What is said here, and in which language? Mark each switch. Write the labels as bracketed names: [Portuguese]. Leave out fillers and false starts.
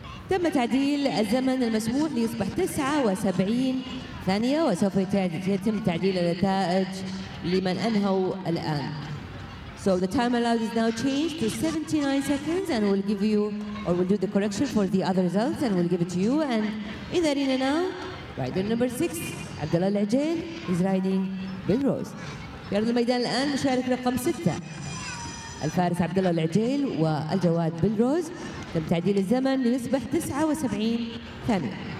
[Arabic] تم تعديل الزمن المسموح ليصبح 79 ثانية، وسوف يتم تعديل النتائج لمن أنهوا الآن. [English] So the time allowed is now changed to 79 seconds, and we'll give you, or we'll do the correction for the other results, and we'll give it to you. And in the arena now, rider number 6, Abdullah Al-Ajain, is riding Bill Rose. [Arabic] في أرض الميدان الآن مشارك رقم 6 الفارس عبدالله العجيل والجواد بيل روز. تم تعديل الزمن ليصبح 79 ثانية.